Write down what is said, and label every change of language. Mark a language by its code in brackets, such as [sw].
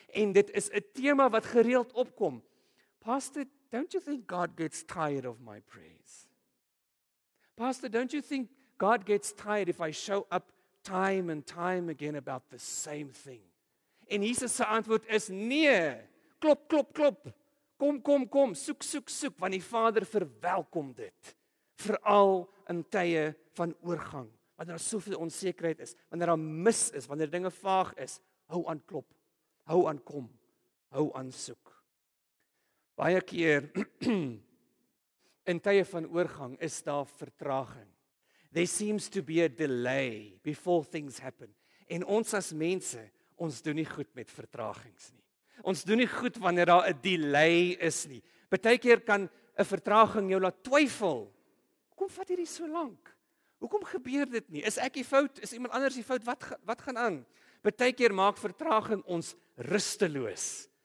[af] En dit is 'n tema wat gereeld opkom. [en] Pastor, don't you think God gets tired of my prayers? Pastor, don't you think God gets tired if I show up time and time again about the same thing? [af] En Jesus se antwoord is nee. Klop, klop, klop. Kom. Soek, soek, soek. Want die Vader verwelkom dit. Veral in tye van oorgang, wanneer daar soveel onsekerheid is, wanneer daar mis is, wanneer dinge vaag is, hou aan klop, hou aan kom, hou aan soek. Baie keer, in tye van oorgang, is daar vertraging. [en] There seems to be a delay before things happen. [af] En ons as mense, ons doen nie goed met vertragings nie. Ons doen nie goed wanneer daar 'n delay is nie. Partykeer kan 'n vertraging jou laat twyfel. Hoekom vat hierdie so lank? Hoekom gebeur dit nie? Is ek die fout? Is iemand anders die fout? Wat gaan aan? Partykeer maak vertraging ons rusteloos.